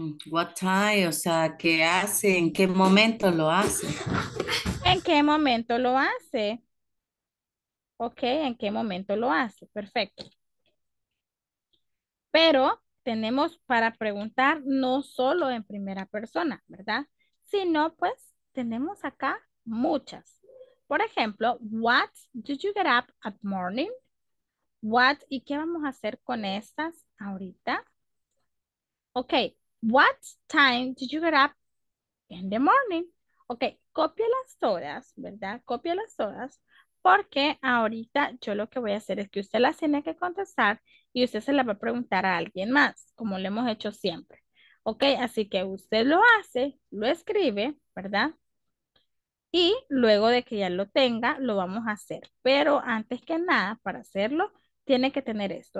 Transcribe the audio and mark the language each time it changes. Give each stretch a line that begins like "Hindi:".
English: What time,
Spanish: o sea, ¿qué hace? ¿En qué momento lo hace? ¿En qué momento lo hace? Ok, ¿en qué momento lo hace? Perfecto. Pero tenemos para preguntar no solo en primera persona, ¿verdad? Sino pues tenemos acá muchas. Por ejemplo,
English: what did you get up at morning?
Spanish: What, ¿y qué vamos a hacer con estas ahorita?
English: Ok, what time did you get up in the morning?
Spanish: Ok, cópialas todas, ¿verdad? Cópialas todas, porque ahorita yo lo que voy a hacer es que usted las tiene que contestar y usted se las va a preguntar a alguien más, como lo hemos hecho siempre. Ok, así que usted lo hace, lo escribe, ¿verdad? Y luego de que ya lo tenga, lo vamos a hacer. Pero antes que nada, para hacerlo, tiene que tener esto.